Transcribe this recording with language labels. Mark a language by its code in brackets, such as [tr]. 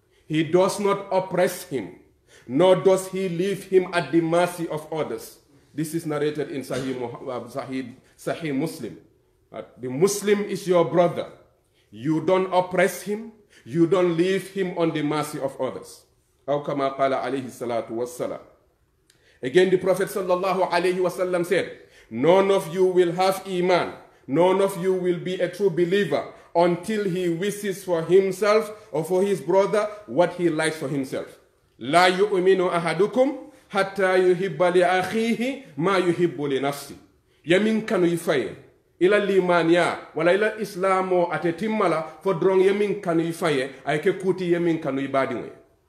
[en] He does not oppress him, nor does he leave him at the mercy of others. This is narrated in Sahih Muslim. The Muslim is your brother. You don't oppress him. You don't leave him on the mercy of others. [ar] أو كما قال عليه الصلاة والسلام. [en] Again, the Prophet sallallahu alaihi wasallam said, none of you will have iman, none of you will be a true believer until he wishes for himself or for his brother what he likes for himself. [ar] لا يؤمن أحدكم حتى يحب لأخيه ما يحب لنفسه. يمين كانوا يفعل إلى الإيمان يا ولا إلى الإسلام أو أتتم ملا فدرون يمين كانوا يفعل أيك كوتي يمين كانوا يبادينه.